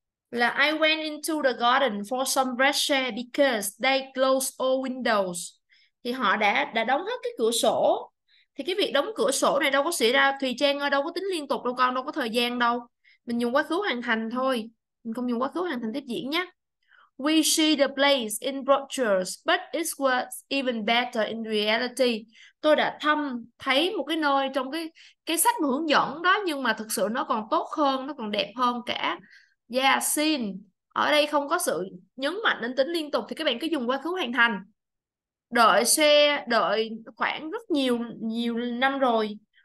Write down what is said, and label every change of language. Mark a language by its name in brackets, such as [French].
[English] Là I went into the garden for some fresh air because they closed all windows. [Vietnamese] Thì họ đã đóng hết cái cửa sổ. Thì cái việc đóng cửa sổ này đâu có xảy ra. Thùy Trang ơi, đâu có tính liên tục đâu con, đâu có thời gian đâu. Mình dùng quá khứ hoàn thành thôi. Mình không dùng quá khứ hoàn thành tiếp diễn nhé. [English] We see the place in brochures, but it was even better in reality. [Vietnamese] Tôi đã thăm thấy một cái nơi trong cái sách mà hướng dẫn đó, nhưng mà thực sự nó còn tốt hơn, nó còn đẹp hơn cả. [English] Yeah, seen. [Vietnamese] Ở đây không có sự nhấn mạnh đến tính liên tục thì các bạn cứ dùng quá khứ hoàn thành. Đợi xe, đợi khoảng rất nhiều nhiều năm rồi.